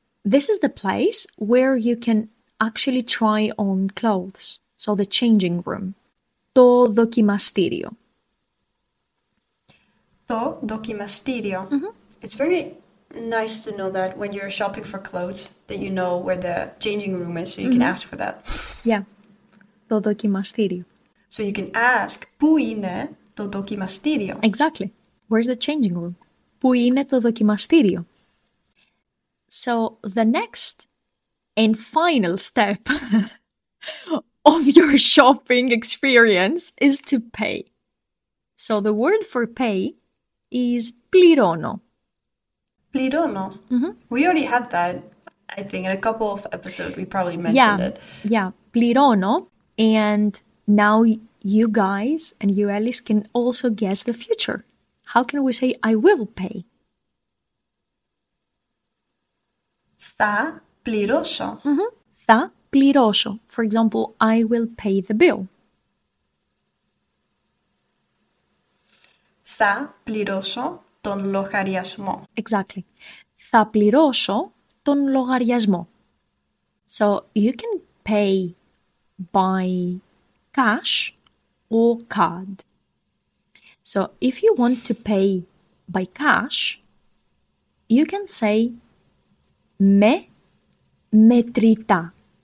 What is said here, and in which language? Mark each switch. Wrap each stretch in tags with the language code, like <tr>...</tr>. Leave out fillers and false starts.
<en>This is the place where you can actually try on clothes, so the changing room.</en> <el>Το δοκιμαστήριο. Το δοκιμαστήριο.</el> <en>It's very nice to know that when you're shopping for clothes, that you know where the changing room is, so you can ask for that.</en> <el>Yeah. Το δοκιμαστήριο.</el> <en>So you can ask,</en> <el>Πού είναι το δοκιμαστήριο?</el> <en>Exactly. Where's the changing room?</en> <el>Πού είναι το δοκιμαστήριο?</el> <en>So the next and final step of your shopping experience is to pay. So the word for pay is πληρώνω.</en> <el>Πληρώνω.</el> <en>We already had that, I think, in a couple of episodes. We probably mentioned Yeah. it.</en> <el>Yeah. Πληρώνω.</el> <en>And now you guys and you Alice can also guess the future. How can we say I will pay?</en> <el>Θα πληρώσω. Θα πληρώσω.</el> <en>For example, I will pay the bill.</en> <el>Θα πληρώσω τον λογαριασμό.</el> <en>Exactly.</en> <el>Θα πληρώσω τον λογαριασμό.</el> <en>So you can pay by cash or card. So if you want to pay by cash, you can say</en> <el>με μετρητά.</el>